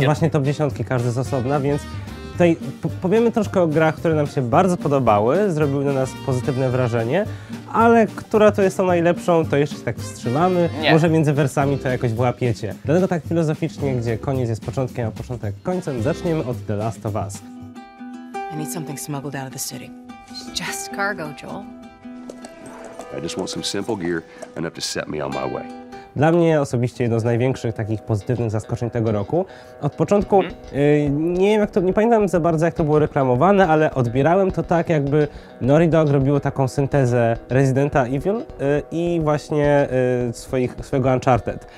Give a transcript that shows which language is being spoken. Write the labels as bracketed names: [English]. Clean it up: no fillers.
[Polish] No właśnie top dziesiątki każdy z osobna, więc tutaj powiemy troszkę o grach, które nam się bardzo podobały, zrobiły na nas pozytywne wrażenie, ale która to jest tą najlepszą, to jeszcze się tak wstrzymamy. Nie. Może między wersami to jakoś włapiecie. Dlatego tak filozoficznie, gdzie koniec jest początkiem, a początek końcem, zaczniemy od The Last of Us. [English] I need something smuggled out of the city. It's just cargo, Joel. I just want some simple gear enough to set me on my way. [Polish] Dla mnie osobiście jedno z największych takich pozytywnych zaskoczeń tego roku. Od początku, nie wiem jak to, nie pamiętam za bardzo jak to było reklamowane, ale odbierałem to tak, jakby Naughty Dog robiło taką syntezę Residenta Evil i właśnie swojego Uncharted.